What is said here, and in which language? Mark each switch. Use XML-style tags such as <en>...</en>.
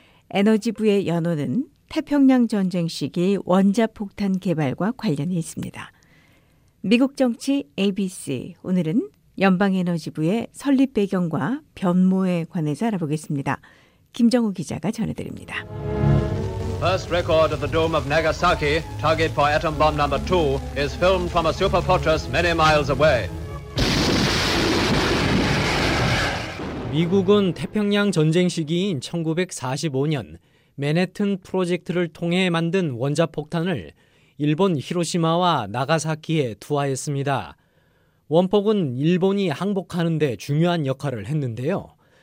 <ko>에너지부의 연원은 태평양 전쟁 시기 원자폭탄 개발과 관련이 있습니다. 미국 정치 ABC, 오늘은 연방에너지부의 설립 배경과 변모에 관해서 알아보겠습니다. 김정우 기자가 전해드립니다.</ko> <en>First record of the Dome of Nagasaki, target for atom bomb number 2, is filmed from a super fortress many miles away.</en> <ko>미국은 태평양 전쟁 시기인 1945년 맨해튼 프로젝트를 통해 만든 원자폭탄을 일본 히로시마와 나가사키에 투하했습니다. 원폭은 일본이 항복하는 데 중요한 역할을 했는데요.</ko>